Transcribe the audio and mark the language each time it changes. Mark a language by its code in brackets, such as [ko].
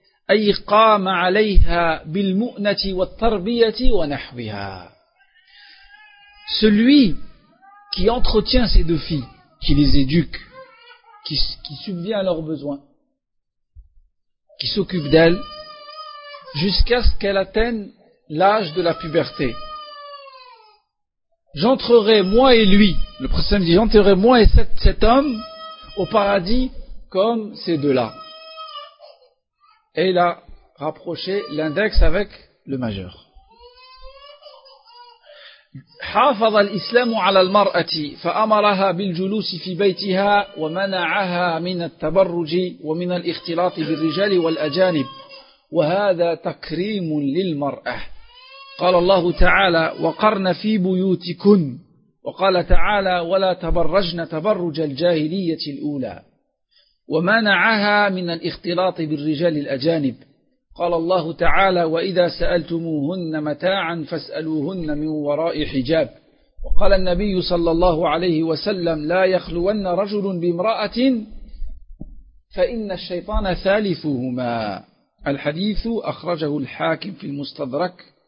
[ar] أي قام عليها بالمؤنة والتربية ونحوها. [fr] Celui qui entretient ces deux filles, qui les éduque, qui subvient à leurs besoins, qui s'occupe d'elles, jusqu'à ce qu'elles atteignent l'âge de la puberté. J'entrerai, moi et lui, le prophète dit, j'entrerai moi et cet homme au paradis comme ces deux-là. Et il a rapproché l'index avec le majeur. [ar] حافظ الإسلام على المرأة فأمرها بالجلوس في بيتها ومنعها من التبرج ومن الاختلاط بالرجال والأجانب وهذا تكريم للمرأة. قال الله تعالى وقرن في بيوتكن وقال تعالى ولا تبرجن تبرج الجاهلية الأولى ومنعها من الاختلاط بالرجال الأجانب قال الله تعالى وإذا سألتموهن متاعا فاسألوهن من وراء حجاب وقال النبي صلى الله عليه وسلم لا يخلون رجل بامرأة فإن الشيطان ثالثهما الحديث أخرجه الحاكم في المستدرك